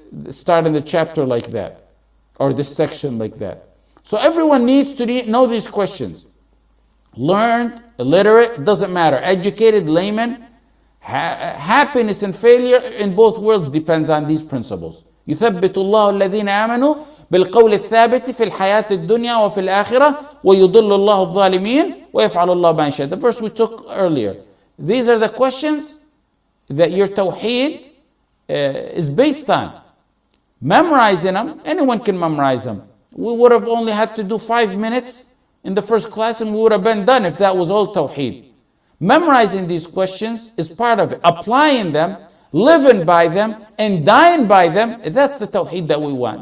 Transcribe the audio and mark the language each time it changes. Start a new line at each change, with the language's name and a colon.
English: Starting the chapter like that, or this section like that. So everyone needs to know these questions. Learned, illiterate, doesn't matter. Educated, layman, happiness and failure in both worlds depends on these principles.
Arabic: يُثَبِّتُ اللَّهُ الَّذِينَ آمَنُوا بِالْقَوْلِ الثَّابِتِ فِي الْحَيَاةِ الدُّنْيَا وَفِي الْآخِرَةِ وَيُضِلُّ اللَّهُ الظَّالِمِينَ وَيَفْعَلُ اللَّهُ مَا يَشَاءُ.
English: The verse we took earlier. These are the questions that your tawheed is based on. Memorizing them, anyone can memorize them. We would have only had to do 5 minutes in the first class and we would have been done if that was all tawheed. Memorizing these questions is part of it. Applying them, living by them, and dying by them, that's the tawheed that we want.